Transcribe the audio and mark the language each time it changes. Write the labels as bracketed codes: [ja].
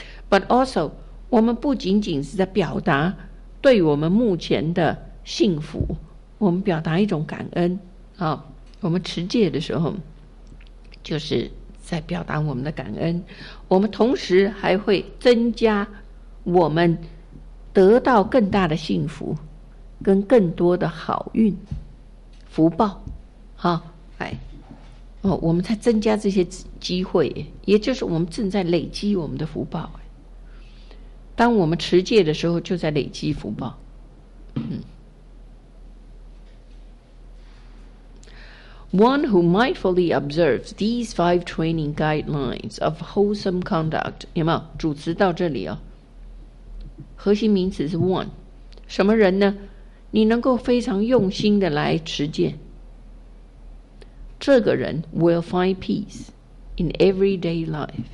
[en] But also [zh] 我们不仅仅是在表达对我们目前的幸福，我们表达一种感恩、啊、我们持戒的时候就是在表达我们的感恩，我们同时还会增加我们得到更大的幸福跟更多的好运福报。好，来、哦、我们才增加这些机会，也就是我们正在累积我们的福报。当我们持戒的时候就在累积福报。 [en] One who mindfully observes these five training guidelines of wholesome conduct, [zh] 有没有？主词到这里哦，核心名词是 one， 什么人呢？你能够非常用心的来持戒，这个人 [en] will find peace in everyday life。